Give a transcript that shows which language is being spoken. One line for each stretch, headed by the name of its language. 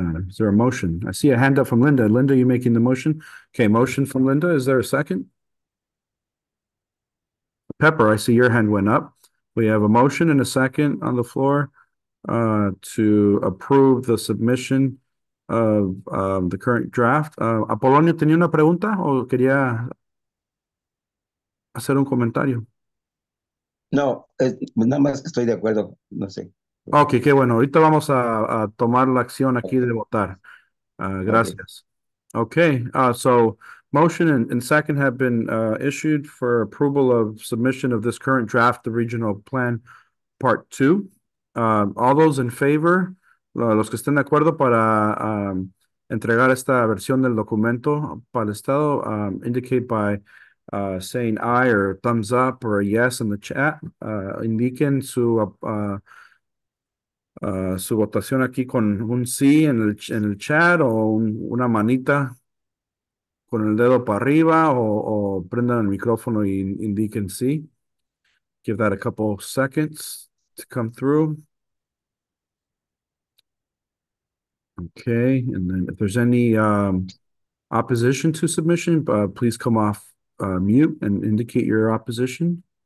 English: Is there a motion? I see a hand up from Linda. Linda, are you making the motion? Okay, motion from Linda. Is there a second? Pepper, I see your hand went up. We have a motion and a second on the floor to approve the submission of the current draft.
Spanish: Apolonio tenía una pregunta o quería hacer un comentario. No, nada más estoy de acuerdo, no sé. Ok, qué bueno. Ahorita vamos a tomar la acción aquí de votar. Gracias.
English: Okay, so motion and second have been issued for approval of submission of this current draft, the regional plan part two. All those in favor,
Spanish: los que estén de acuerdo para entregar esta versión del documento para el Estado,
English: indicate by saying aye or thumbs up or a yes in the chat.
Spanish: Indiquen su su votación aquí con un sí en el chat o una manita con el dedo para arriba o prendan el micrófono y indiquen sí.
English: Give that a couple seconds to come through. Okay, and then if there's any opposition to submission, please come off mute and indicate your opposition.